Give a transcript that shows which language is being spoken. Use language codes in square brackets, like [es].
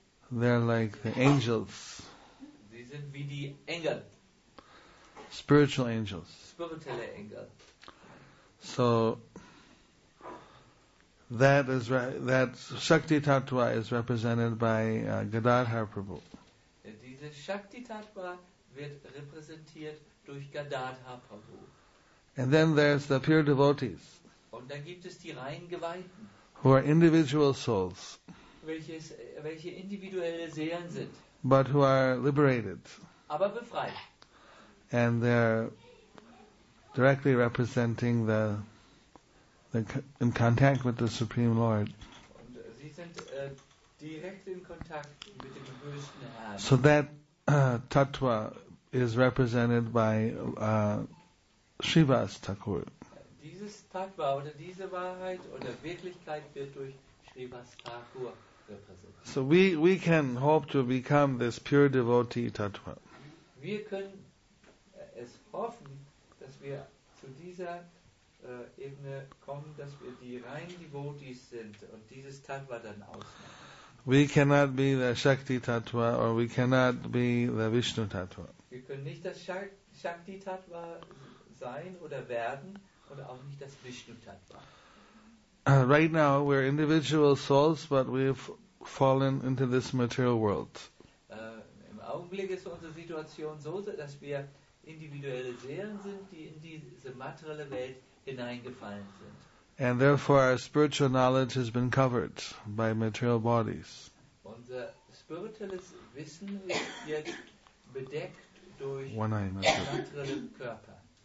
[en] They're like the angels. [de] Sie sind wie die Engel. [en] Spiritual angels. [de] Spirituelle Engel. [en] So that is that Shakti Tattva is represented by Gadadhar Prabhu. [de] Diese Shakti Tattva wird repräsentiert durch Gadadhar Prabhu. [en] And then there's the pure devotees. [de] Und dann gibt es die rein Geweihten. [en] Who are individual souls. [de] Welche individuelle Seelen sind. [en] But who are liberated. [de] Aber befreit. [en] And they're directly representing the in contact with the Supreme Lord. [de] Und sie sind direkt in Kontakt mit dem höchsten Herrn. [en] So that tattva is represented by Shiva's Thakur. [de] Dieses Tattva oder diese Wahrheit oder Wirklichkeit wird durch Shiva's Thakur repräsentiert. [en] So we can hope to become this pure devotee Tattva. [de] Wir können es hoffen, dass wir zu dieser Ebene kommen, dass wir die reinen Devotees sind und dieses Tattva dann ausmachen. [en] We cannot be the Shakti Tattva or we cannot be the Vishnu Tattva. [de] Wir können nicht das Shakti Tattva sein oder werden oder auch nicht das Vishnu Tattva. [en] Right now we're individual souls, but we've fallen into this material world. [de] Im Augenblick ist unsere Situation so, dass wir individuelle Seelen sind, die in diese materielle Welt hineingefallen sind. [en] And therefore our spiritual knowledge has been covered by material bodies. [de] Unser spirituelles Wissen ist jetzt bedeckt durch materielle Körper.